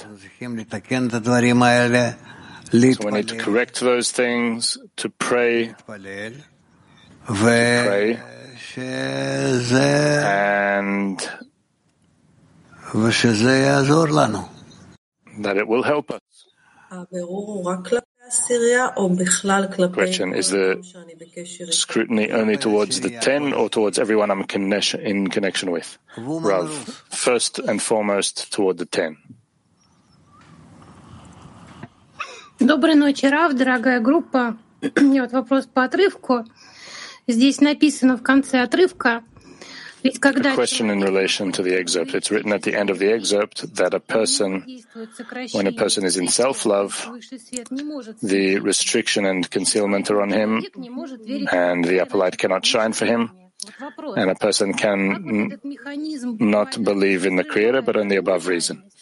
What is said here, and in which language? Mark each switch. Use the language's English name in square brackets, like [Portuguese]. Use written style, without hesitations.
[English] So we need to correct those things, to pray, and that it will help us. Question, is the scrutiny only towards the 10 or towards everyone I'm in connection with? Rav, first and foremost toward the 10. [Russian] Доброй ночи, Рав, дорогая группа. Мне вот вопрос по отрывку. Здесь написано в конце отрывка. Ведь когда... [English] A question in relation to the excerpt. It's written at the end of the excerpt that a person, when a person is in self-love, the restriction and concealment are on him, and the upper light cannot shine for him, and a person can not believe in the Creator, but only above reason.